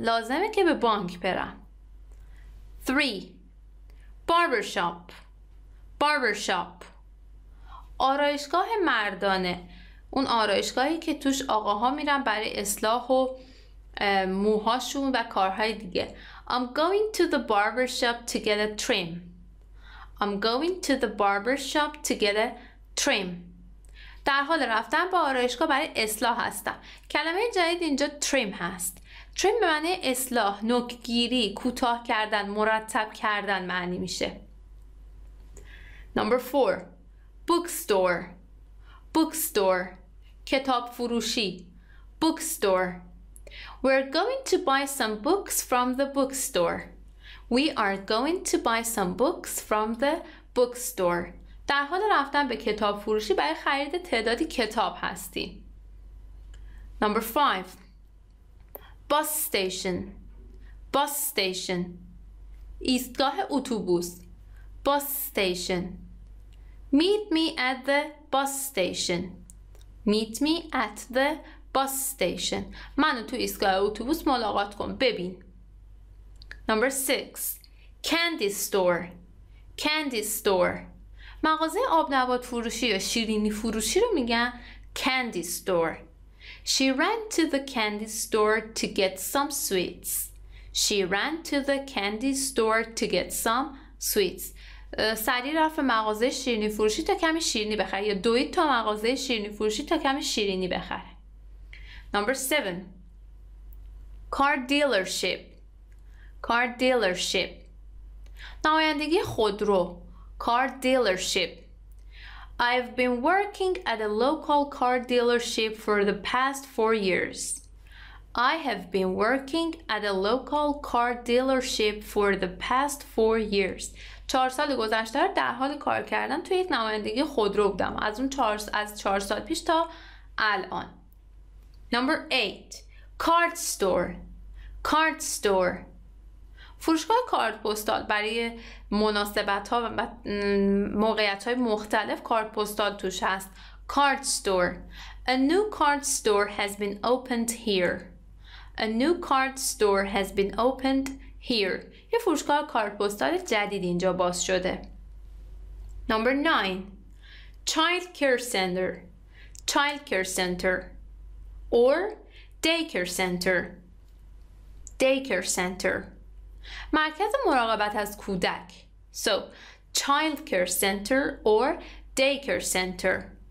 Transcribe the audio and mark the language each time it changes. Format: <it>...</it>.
<fa>لازمه که به بانک برم. 3. Barbershop. Barbershop. آرایشگاه مردانه. اون آرایشگاهی که توش آقاها میرن برای اصلاح و موهاشون و کارهای دیگه.</fa> <en>I'm going to the barbershop to get a trim. I'm going to the barbershop to get a trim.</en> <fa>در حال رفتن به آرایشگاه برای اصلاح هستم. کلمه جدید اینجا trim هست. trim به معنی اصلاح، نوکگیری، کوتاه کردن، مرتب کردن معنی میشه.</fa> <en>Number 4. Bookstore. Bookstore.</en> <fa>کتاب فروشی. Bookstore.</fa> <en>We're going to buy some books from the bookstore. We are going to buy some books from the bookstore.</en> <fa>در حال رفتن به کتاب فروشی برای خرید تعدادی کتاب هستی.</fa> <en>Number 5. Bus station. Bus station.</en> <fa>ایستگاه اتوبوس. Bus station.</fa> <en>Meet me at the bus station. Meet me at the bus station.</en> <fa>منو تو ایستگاه اتوبوس ملاقات کن.</fa> <en>ببین. Number 6. Candy store. Candy store.</en> <fa>مغازه آب نبات فروشی یا شیرینی فروشی رو میگن candy store.</fa> <en>She ran to the candy store to get some sweets. She ran to the candy store to get some sweets.</en> <fa>سریع رفت مغازه شیرینی فروشی تا کمی شیرینی بخره یا دوید تا مغازه شیرینی فروشی تا کمی شیرینی بخره.</fa> <en>Number 7. Car dealership. Car dealership.</en> <fa>نمایندگی خودرو.</fa> <en>Car dealership. I've been working at a local car dealership for the past 4 years. I have been working at a local car dealership for the past 4 years.</en> <fa>4 سال گذشته در حال کار کردن توی یک نمایندگی خودرو بودم از اون 4 سال پیش تا الان.</fa> <en>Number 8. Card store. Card store.</en> <fa>فروشگاه کارت پستال برای مناسبت ها و موقعیت های مختلف کارت پستال توش هست.</fa> <en>Card store. A new card store has been opened here. A new card store has been opened here.</en> <fa>یه فروشگاه کارت پستال جدید اینجا باز شده.</fa> <en>Number 9. Child care center. Child care center. Or daycare center. Daycare center.</en> <fa>مرکز مراقبت از کودک.</fa> <en>So, child care center or daycare center.</en>